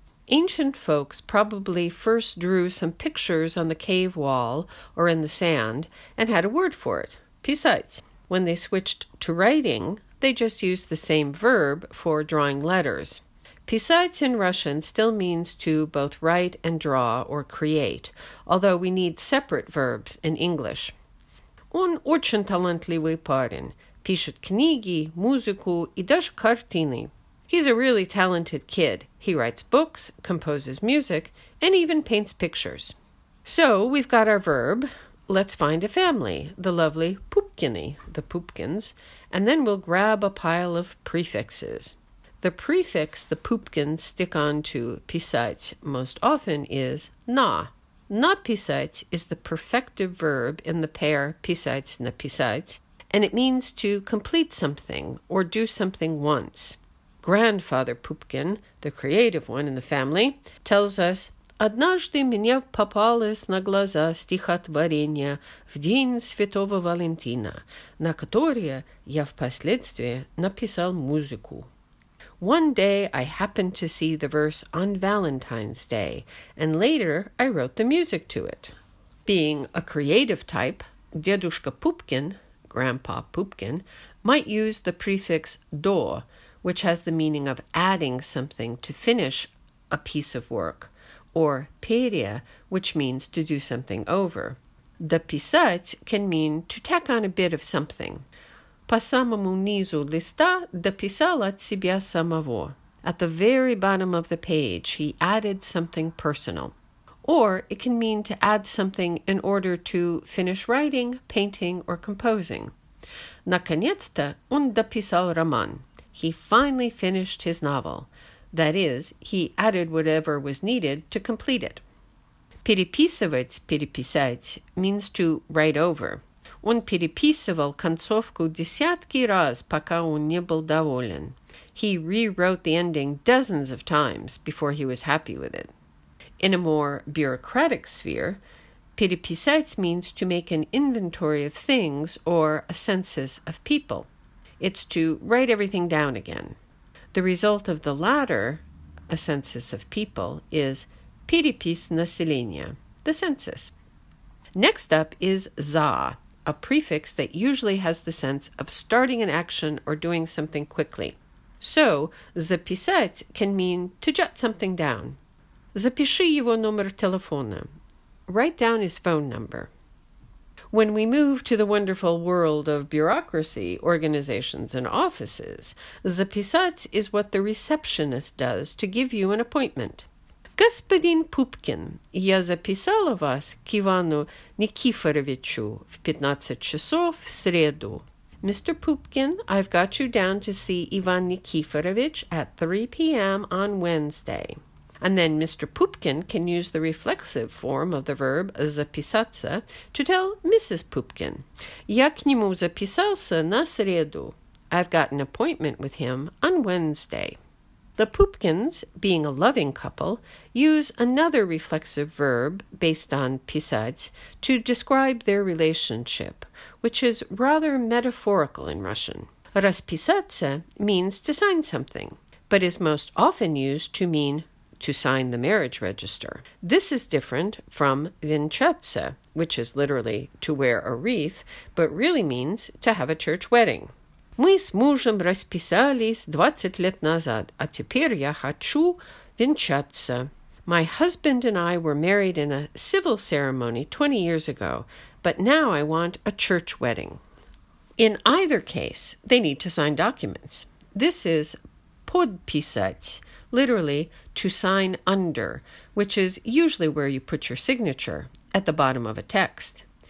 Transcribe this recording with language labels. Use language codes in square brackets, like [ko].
[en] Ancient folks probably first drew some pictures on the cave wall or in the sand and had a word for it, писать. When they switched to writing, they just used the same verb for drawing letters. Писать in Russian still means to both write and draw or create, although we need separate verbs in English. [ru] Он очень талантливый парень. Пишет книги, музыку и даже картины. [en] He's a really talented kid. He writes books, composes music, and even paints pictures. So we've got our verb. Let's find a family, the lovely Pupkini, the Pupkins, and then we'll grab a pile of prefixes. The prefix the Pupkins stick on to писать most often is на. На писать is the perfective verb in the pair писать-написать, and it means to complete something or do something once. Grandfather Пупкин, the creative one in the family, tells us, [ru] однажды мне попалось на глаза стихотворение в день Святого Валентина, на которое я впоследствии написал музыку. [en] One day I happened to see the verse on Valentine's Day, and later I wrote the music to it. Being a creative type, Дедушка Пупкин, Grandpa Пупкин, might use the prefix до, which has the meaning of adding something to finish a piece of work, or перья, which means to do something over. Дописать can mean to tack on a bit of something. [ru] По самому низу листа дописал от себя самого. [en] At the very bottom of the page, he added something personal. Or it can mean to add something in order to finish writing, painting, or composing. [ru] Наконец-то он дописал роман. [en] He finally finished his novel. That is, he added whatever was needed to complete it. Переписывать, переписать means to write over. [ru] Он переписывал концовку десятки раз, пока он не был доволен. [en] He rewrote the ending dozens of times before he was happy with it. In a more bureaucratic sphere, переписать means to make an inventory of things or a census of people. It's to write everything down again. The result of the latter, a census of people, is перепис населения, the census. Next up is за, a prefix that usually has the sense of starting an action or doing something quickly. So, записать can mean to jot something down. [ru] Запиши его номер телефона. [en] Write down his phone number. When we move to the wonderful world of bureaucracy, organizations, and offices, записать is what the receptionist does to give you an appointment. [ru] Господин Пупкин, я записала вас к Ивану Никифоровичу в 15 часов в среду. [en] Mr. Пупкин, I've got you down to see Ivan Nikiforovich at 3 p.m. on Wednesday. And then Mr. Пупкин can use the reflexive form of the verb записаться to tell Mrs. [ru] Пупкин, я к нему записался на среду. [en] I've got an appointment with him on Wednesday. The Pupkins, being a loving couple, use another reflexive verb based on писать to describe their relationship, which is rather metaphorical in Russian. Расписаться means to sign something, but is most often used to mean to sign the marriage register. This is different from vincezze, which is literally to wear a wreath, but really means to have a church wedding. [ru] Мы с мужем расписались 20 лет назад, а теперь я хочу венчаться. [en] My husband and I were married in a civil ceremony 20 years ago, but now I want a church wedding. In either case, they need to sign documents. This is подписать, literally to sign under, which is usually where you put your signature, at the bottom of a text.